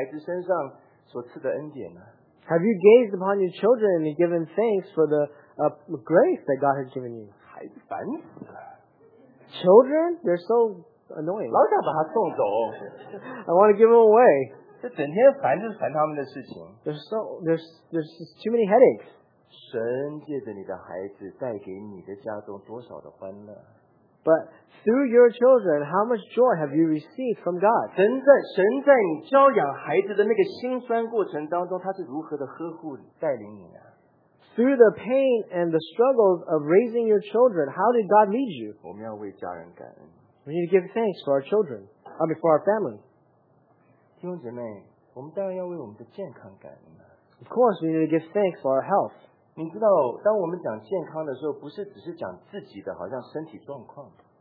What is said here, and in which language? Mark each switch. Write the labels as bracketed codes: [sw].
[zh] 你有没有凝视着你的孩子看见神从你孩子身上所赐的恩典呢? [en] Have you gazed upon your children and given thanks for the grace that God has given you? [zh] 孩子烦死了。 [en] Children, they're so annoying. [zh] 老想把他送走。 [en] I want to give them away. [zh] 这整天烦就是烦他们的事情。 [en] There's too many headaches. [zh] 神借着你的孩子带给你的家中多少的欢乐, [en] But through your children, how much joy have you received from God? [zh] 神在你教养孩子的那个辛酸过程当中，他是如何的呵护你，带领你呢？ [en] Through the pain and the struggles of raising your children, how did God lead you? [zh] 我们要为家人感恩。 [en] We need to give thanks for our children, I mean for our family. [zh] 弟兄姐妹，我们当然要为我们的健康感恩了。 [en] Of course, we need to give thanks for our health. [zh] 你知道，当我们讲健康的时候，不是只是讲自己的，好像身体状况。